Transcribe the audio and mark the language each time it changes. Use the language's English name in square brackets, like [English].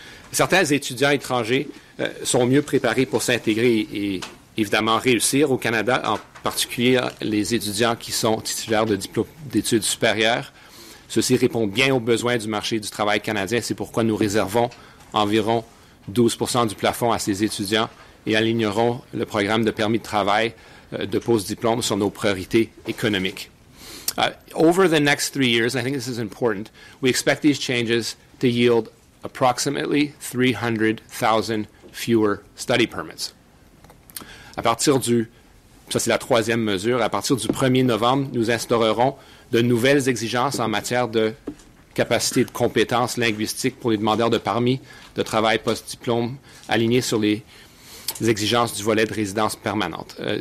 [French] Certains étudiants étrangers sont mieux préparés pour s'intégrer et évidemment réussir au Canada, en particulier les étudiants qui sont titulaires de diplômes d'études supérieures. Ceci répond bien aux besoins du marché du travail canadien. C'est pourquoi nous réservons environ 12 % du plafond à ces étudiants et alignerons le programme de permis de travail de post-diplôme sur nos priorités économiques. [English] Over the next 3 years, I think this is important, we expect these changes to yield approximately 300,000 fewer study permits. [French] À partir du, ça c'est la troisième mesure, à partir du 1er novembre, nous instaurerons de nouvelles exigences en matière de capacité de compétences linguistiques pour les demandeurs de permis de travail post-diplôme alignés sur les exigences du volet de résidence permanente.